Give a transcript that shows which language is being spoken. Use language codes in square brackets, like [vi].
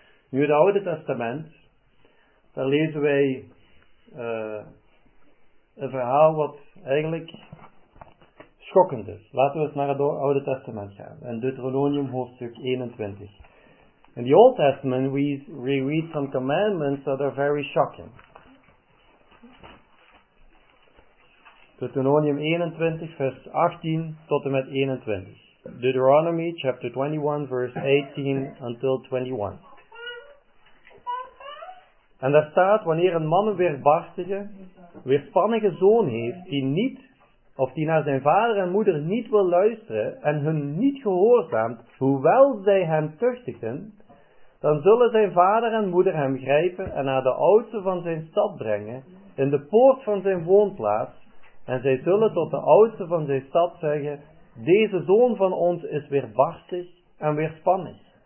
[nl] Nu het Oude Testament, dan lezen wij een verhaal wat eigenlijk schokkend is. Laten we eens naar het Oude Testament gaan. In Deuteronomium hoofdstuk 21. [en] In the Old Testament, we read some commandments that are very shocking. [nl] Deuteronomium 21, vers 18 tot en met 21. [en] Deuteronomy chapter 21, verse 18 until 21. [nl] En daar staat, wanneer een man een weerspannige zoon heeft, die naar zijn vader en moeder niet wil luisteren en hun niet gehoorzaamt, hoewel zij hem tuchtigen, dan zullen zijn vader en moeder hem grijpen en naar de oudste van zijn stad brengen, in de poort van zijn woonplaats, en zij zullen tot de oudste van zijn stad zeggen, deze zoon van ons is weerbarstig en weerspannig.